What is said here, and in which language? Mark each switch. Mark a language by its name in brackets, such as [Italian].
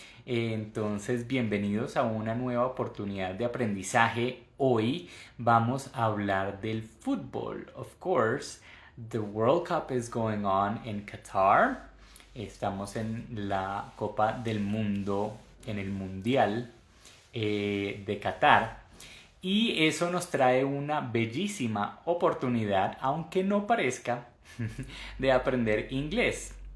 [Spanish] Entonces, bienvenidos a una nueva oportunidad de aprendizaje. Hoy vamos a hablar del fútbol. [English] Of course, the World Cup is going on in Qatar. [Spanish] Estamos en la Copa del Mundo, en el Mundial de Qatar. Y eso nos trae una bellísima oportunidad, aunque no parezca, de aprender inglés.